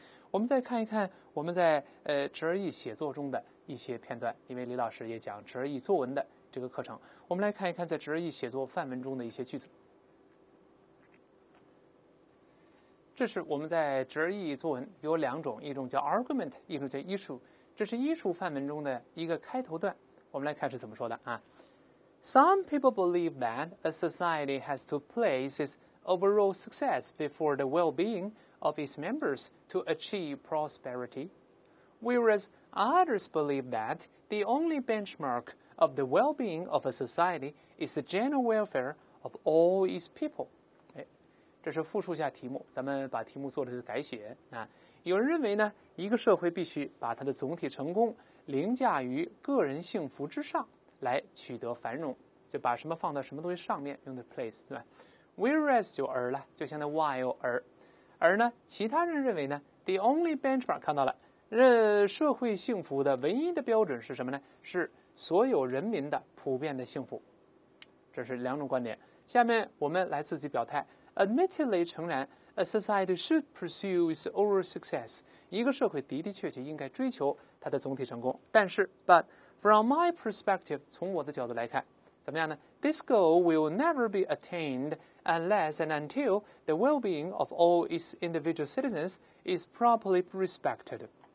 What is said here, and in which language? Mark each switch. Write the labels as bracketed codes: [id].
[zh] 我们再看一看我们在GRE 写作中的一些片段，因为李老师也讲 GRE 作文的这个课程，我们来看一看在 GRE 写作范文中的一些句子。这是我们在 GRE 作文有两种，一种叫 argument， 一种叫 issue。这是 issue 范文中的一个开头段，我们来看是怎么说的啊。 [en] Some people believe that a society has to place its overall success before the well-being of its members to achieve prosperity, whereas others believe that the only benchmark of the well-being of a society is the general welfare of all its people。 [zh] 这是复述下题目，咱们把题目做了个改写啊。有人认为呢，一个社会必须把它的总体成功凌驾于个人幸福之上来取得繁荣，就把什么放到什么东西上面，用的 place， 对吧？Whereas 就而了，就像那 while 而。而呢，其他人认为呢， [en] the only benchmark [zh] 看到了，社会幸福的唯一的标准是什么呢？是所有人民的普遍的幸福。这是两种观点。下面我们来自己表态。 [en] Admittedly， [zh] 诚然 [en] ，a society should pursue its overall success。 [zh] 一个社会的的确确应该追求它的总体成功。但是 [en] ，but from my perspective， [zh] 从我的角度来看，怎么样呢 [en] ？This goal will never be attained unless and until the well-being of all its individual citizens is properly respected。